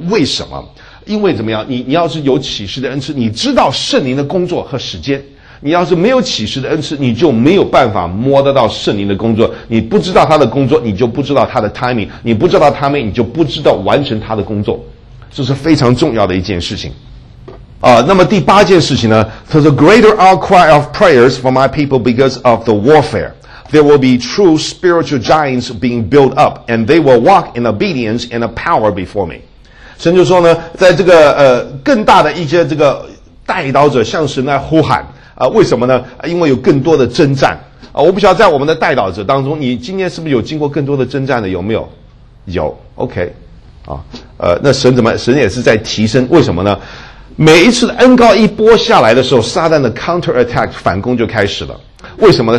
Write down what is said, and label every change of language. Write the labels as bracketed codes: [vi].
[zh] 为什么？因为怎么样？你要是有启示的恩赐，你知道圣灵的工作和时间，你要是没有启示的恩赐，你就没有办法摸得到圣灵的工作。你不知道他的工作，你就不知道他的 timing， 你不知道 timing， 你就不知道完成他的工作。这是非常重要的一件事情。那么第八件事情呢，它是 [en] greater outcry of prayers for my people because of the warfare. There will be true spiritual giants being built up, and they will walk in obedience and a power before me. [zh] 神就说呢，在这个更大的一些这个代祷者向神来呼喊，为什么呢？因为有更多的征战。我不晓得在我们的代祷者当中，你今天是不是有经过更多的征战的，有没有？有 ,OK。那神怎么，神也是在提升，为什么呢？每一次的恩膏一拨下来的时候，撒旦的 counter attack 反攻就开始了。为什么呢？